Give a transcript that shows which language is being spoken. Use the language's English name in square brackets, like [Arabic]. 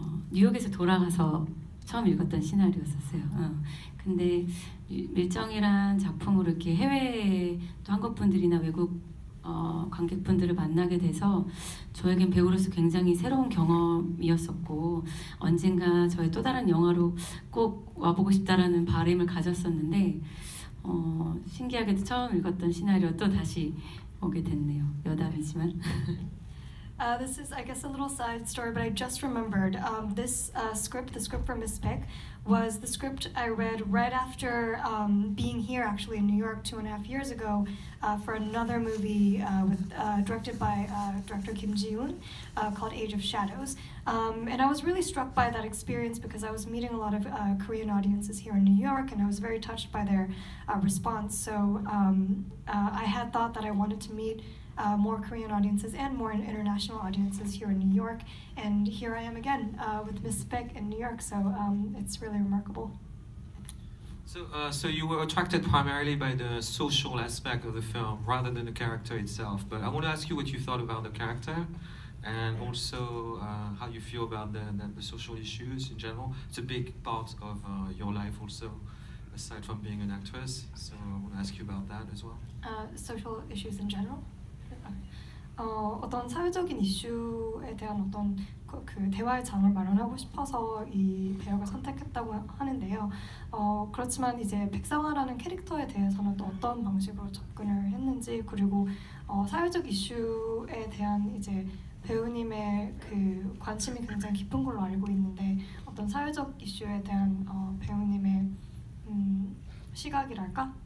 [Korean] 뉴욕에서 돌아가서 처음 읽었던 시나리오였었어요. 근데 밀정이라는 작품으로 이렇게 해외에도 한국분들이나 외국 관객분들을 만나게 돼서 저에겐 배우로서 굉장히 새로운 경험이었었고 언젠가 저의 또 다른 영화로 꼭 와보고 싶다라는 바람을 가졌었는데 신기하게도 처음 읽었던 시나리오 또 다시 오게 됐네요. 여담이지만. [English] This is, I guess, a little side story, but I just remembered this script, the script for Miss Beck, was the script I read right after being here, actually, in New York 2.5 years ago for another movie directed by director Kim Ji-hoon called Age of Shadows. And I was really struck by that experience because I was meeting a lot of Korean audiences here in New York, and I was very touched by their response. So I had thought that I wanted to meet more Korean audiences and more international audiences here in New York. And here I am again with Miss Beck in New York. So it's really remarkable. So you were attracted primarily by the social aspect of the film rather than the character itself. But I want to ask you what you thought about the character and also how you feel about the social issues in general. It's a big part of your life also, aside from being an actress. So I want to ask you about that as well. Social issues in general. [Korean] 어떤 사회적인 이슈에 대한 어떤 그 대화의 장을 마련하고 싶어서 이 배역을 선택했다고 하는데요. 그렇지만 이제 백상화라는 캐릭터에 대해서는 또 어떤 방식으로 접근을 했는지 그리고 사회적 이슈에 대한 이제 배우님의 그 관심이 굉장히 깊은 걸로 알고 있는데 어떤 사회적 이슈에 대한 배우님의 시각이랄까?